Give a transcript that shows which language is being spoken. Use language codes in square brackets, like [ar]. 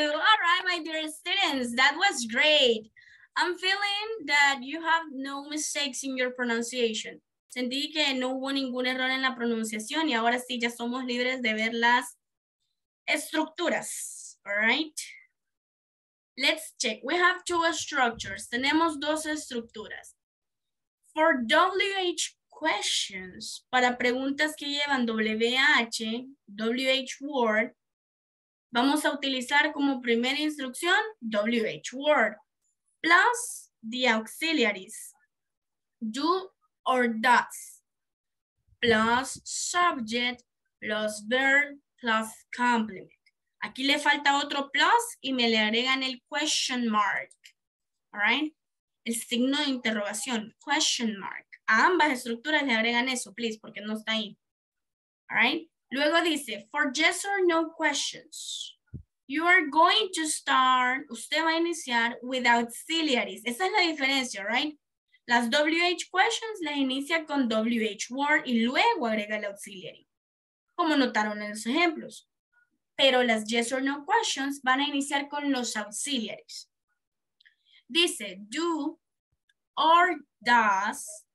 [en] All right, my dear students, that was great. I'm feeling that you have no mistakes in your pronunciation. [es] Sentí que no hubo ningún error en la pronunciación y ahora sí ya somos libres de ver las estructuras. [en] All right. Let's check. We have two structures. [es] Tenemos dos estructuras. [en] For WH questions, [es] para preguntas que llevan WH, WH word, vamos a utilizar como primera instrucción [en] WH word plus the auxiliaries. Do or does plus subject plus verb plus complement. [es] Aquí le falta otro plus y me le agregan el question mark. [en] All right? [es] El signo de interrogación, question mark. A ambas estructuras le agregan eso, please, porque no está ahí. [en] All right? [es] Luego dice, [en] for yes or no questions, you are going to start, [es] usted va a iniciar [en] with auxiliaries. [es] Esa es la diferencia, [en] all right? [es] Las WH questions las inicia con WH word y luego agrega el auxiliary. Como notaron en los ejemplos. Pero las yes or no questions van a iniciar con los auxiliaries. Dice, do or does